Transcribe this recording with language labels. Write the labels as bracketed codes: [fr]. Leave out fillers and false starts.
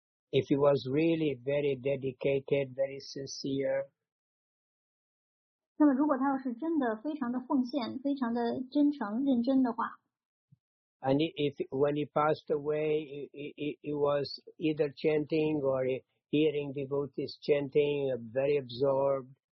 [en] If he was really very dedicated, very sincere, [zh] 那么如果他要是真的非常的奉献，非常的真诚认真的话， [en] and if when he passed away, he was either chanting or hearing devotees chanting, very absorbed.